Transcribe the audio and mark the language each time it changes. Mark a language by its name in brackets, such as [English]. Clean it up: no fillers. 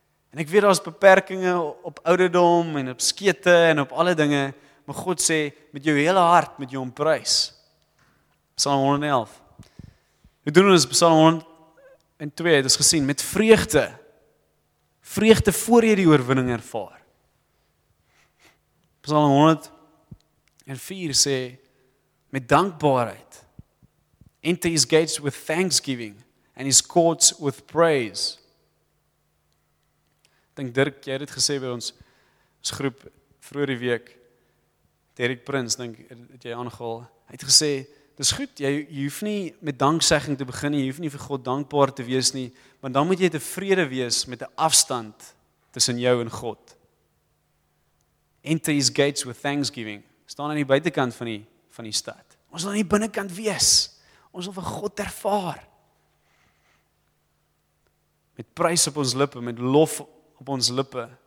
[Afrikaans] En ek weet, daar is beperkinge op ouderdom en op skete en op alle dinge, maar God sê, met jou hele hart, met jou prys. Psalm 111. We doen ons Psalm 102, het is gesien, met vreugde. Vreugde voor jy die oorwinning ervaar. Psalm 104 sê, met dankbaarheid. [English] Enter his gates with thanksgiving and his courts with praise. [Afrikaans] Ek denk Dirk, jy het dit gesê by ons groep vroeër die week. Derek Prins, denk, het jy aangehaal. Hy het gesê, dis goed, jy hoef nie met danksegging te begin, jy hoef nie vir God dankbaar te wees nie, want dan moet jy tevrede wees met die afstand tussen jou en God. [English] Enter his gates with thanksgiving. [Afrikaans] Staan aan die buitenkant van die stad. Ons wil aan die binnenkant wees. Ons wil vir God ervaar. Met prys op ons lippe, met lof op ons lippe.